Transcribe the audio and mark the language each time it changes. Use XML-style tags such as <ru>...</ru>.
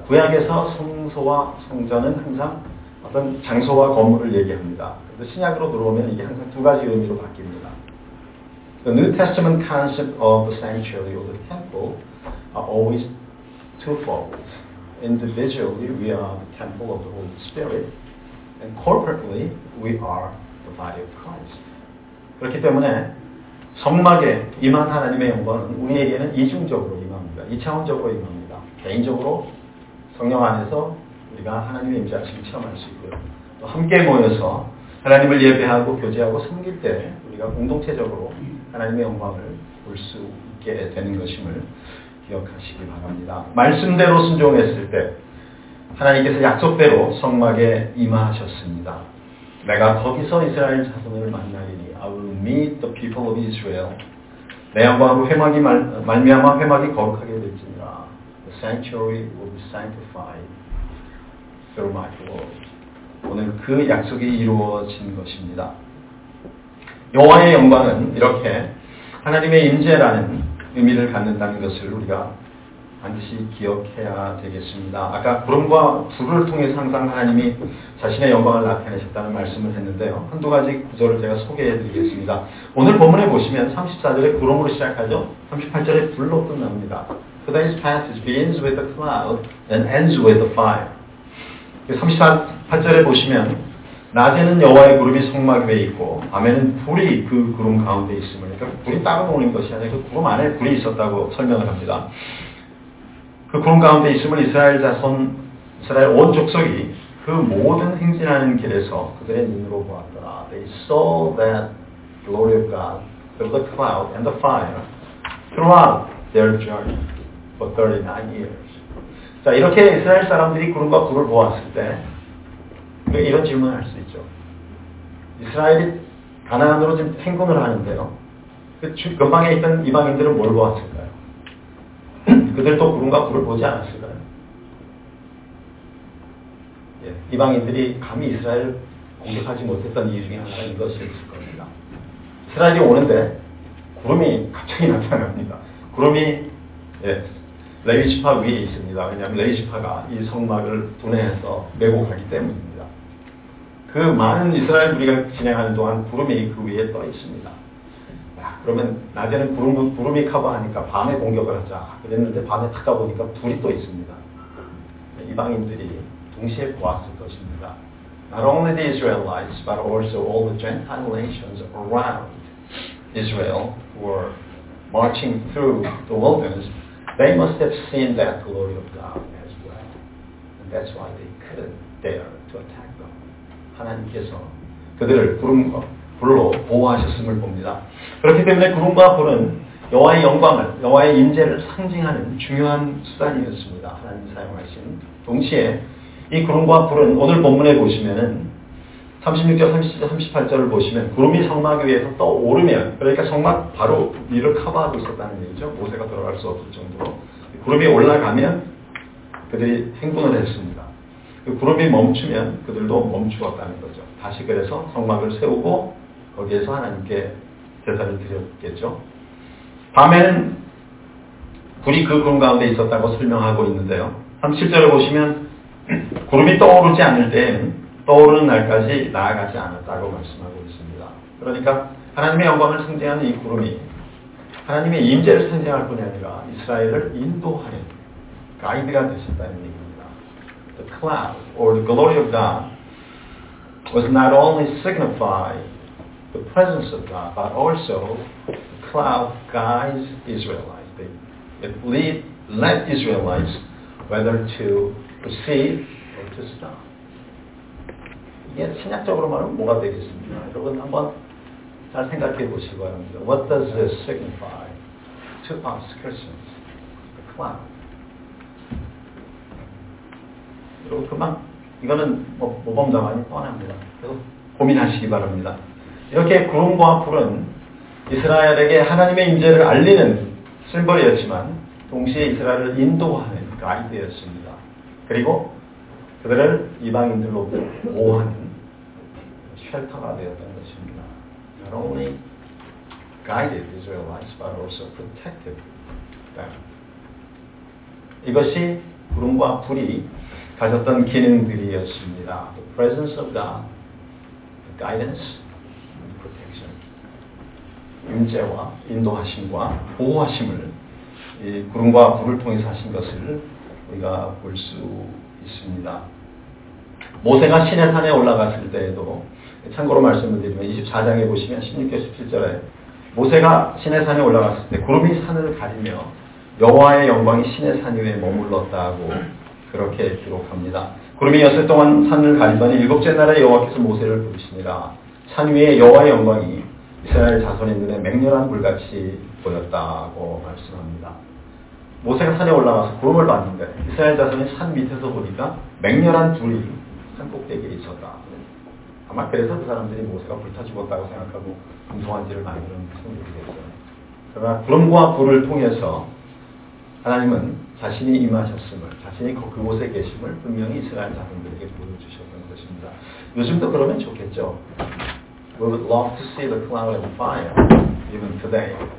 <ko>구약에서 성소와 성전은 항상 어떤 장소와 건물을 얘기합니다. 그런데 신약으로 들어오면 이게 항상 두 가지 의미로 바뀝니다.</ko> <en>The New Testament concept of the sanctuary or the temple are always twofold. Individually, we are the temple of the Holy Spirit, and corporately, we are the body of Christ.</en> <ko>그렇기 때문에 성막에 임한 하나님의 영광은 우리에게는 이중적으로 임합니다. 이차원적으로 임합니다. 개인적으로 성령 안에서 우리가 하나님의 임재하심을 체험할 수 있고요. 또 함께 모여서 하나님을 예배하고 교제하고 섬길 때 우리가 공동체적으로 하나님의 영광을 볼 수 있게 되는 것임을 기억하시기 바랍니다. 말씀대로 순종했을 때 하나님께서 약속대로 성막에 임하셨습니다. 내가 거기서 이스라엘 자손을 만나리니</ko> <en>I will meet the people of Israel.</en> <ko>내 영광으로 회막이 말미암아 회막이 거룩하게 될지니라.</ko> <en>The sanctuary will be sanctified through my glory.</en> <ko>오늘 그 약속이 이루어진 것입니다. 여호와의 영광은 이렇게 하나님의 임재라는 의미를 갖는다는 것을 우리가 반드시 기억해야 되겠습니다. 아까 구름과 불을 통해서 항상 하나님이 자신의 영광을 나타내셨다는 말씀을 했는데요. 한두 가지 구절을 제가 소개해드리겠습니다. 오늘 본문에 보시면 34절에 구름으로 시작하죠. 38절에 불로 끝납니다.</ko> <en>Today's passage begins with the cloud and ends with the fire.</en> <ko>38절에 보시면 낮에는 여호와의 구름이 성막 위에 있고 밤에는 불이 그 구름 가운데 있음을 그러니까 불이 따로 오는 것이 아니라 그 구름 안에 불이 있었다고 설명을 합니다. 그 구름 가운데 있음을 이스라엘 자손, 이스라엘 온 족속이 그 모든 행진하는 길에서 그들의 눈으로 보았더라.</ko> <en>They saw that glory of God through the cloud and the fire throughout their journey for 39 years.</en> <ko>자, 이렇게 이스라엘 사람들이 구름과 불을 보았을 때 이런 질문을 할 수 있죠. 이스라엘이 가나안으로 지금 행군을 하는데요. 그 근방에 있던 이방인들은 뭘 보았을까요? 그들도 구름과 불을 보지 않았을까요? 예, 이방인들이 감히 이스라엘을 공격하지 못했던 이유 중에 하나가 이것이었을 겁니다. 이스라엘이 오는데 구름이 갑자기 나타납니다. 구름이 예, 레위지파 위에 있습니다. 왜냐하면 레위지파가 이 성막을 분해해서 메고 가기 때문입니다. 그 많은 이스라엘 무리가 진행하는 동안 구름이 그 위에 떠 있습니다. 야, 그러면 낮에는 구름이 커버하니까 밤에 공격을 하자 그랬는데 밤에 탁 가보니까 불이 또 있습니다. 이방인들이 동시에 보았을 것입니다.</ko> <en>Not only the Israelites, but also all the Gentile nations around Israel who were marching through the wilderness, they must have seen that glory of God as well. And that's why they couldn't dare to attack.</en> <ko>하나님께서 그들을 구름과 불로 보호하셨음을 봅니다. 그렇기 때문에 구름과 불은 여호와의 영광을, 여호와의 임재를 상징하는 중요한 수단이었습니다. 하나님이 사용하신. 동시에 이 구름과 불은 오늘 본문에 보시면은 36절, 37절, 38절을 보시면 구름이 성막 위에서 떠오르면 그러니까 성막 바로 위를 커버하고 있었다는 얘기죠. 모세가 들어갈 수 없을 정도로. 구름이 올라가면 그들이 행군을 했습니다. 그 구름이 멈추면 그들도 멈추었다는 거죠. 다시 그래서 성막을 세우고 거기에서 하나님께 제사를 드렸겠죠. 밤에는 불이 그 구름 가운데 있었다고 설명하고 있는데요. 37절에 보시면 구름이 떠오르지 않을 때에는 떠오르는 날까지 나아가지 않았다고 말씀하고 있습니다. 그러니까 하나님의 영광을 상징하는 이 구름이 하나님의 임재를 상징할 뿐이 아니라 이스라엘을 인도하는 가이드가 되셨다는 얘기입니다.</ko> <en>The cloud or the glory of God was not only signify the presence of God, but also the cloud guides Israelites. It led Israelites whether to proceed or to stop.</en> <ko>이게 신약적으로 말하면 뭐가 되겠습니까? 여러분 한번 잘 생각해 보시기 바랍니다.</ko> <en>What does this signify to us Christians? The cloud.</en> <ko>여러분 그만 이거는 뭐 모범답안이 뻔합니다. 계속 고민하시기 바랍니다. 이렇게 구름과 불은 이스라엘에게 하나님의 임재를 알리는 심벌이었지만 동시에 이스라엘을 인도하는 가이드였습니다. 그리고 그들을 이방인들로 보호하는 쉘터가 되었던 것입니다.</ko> <en>Not only guided Israelites, but also protected them.</en> <ko>이것이 구름과 불이 가졌던 기능들이었습니다.</ko> <en>The presence of God, the guidance, and protection.</en> <ko>임재와 인도하심과 보호하심을 이 구름과 불을 통해서 하신 것을 우리가 볼 수 있습니다. 모세가 시내 산에 올라갔을 때에도 참고로 말씀을 드리면 24장에 보시면 16절 17절에 모세가 시내 산에 올라갔을 때 구름이 산을 가리며 여호와의 영광이 시내 산 위에 머물렀다고 그렇게 기록합니다. 구름이 엿새 동안 산을 가리더니 일곱째 날에 여호와께서 모세를 부르시니라. 산 위에 여호와의 영광이 이스라엘 자손의 눈에 맹렬한 불같이 보였다고 말씀합니다. 모세가 산에 올라가서 구름을 봤는데 이스라엘 자손이 산 밑에서 보니까 맹렬한 불이 산 꼭대기에 있었다. 아마 그래서 그 사람들이 모세가 불타 죽었다고 생각하고 금송아지를 만드는 것은 모르겠어요. 그러나 구름과 불을 통해서 하나님은 자신이 임하셨음을, 자신이 그곳에 계심을 분명히 이스라엘 자손들에게 보여주셨던 것입니다. 요즘도 그러면 좋겠죠.</ko> <en>We would love to see the cloud and fire even today.</en>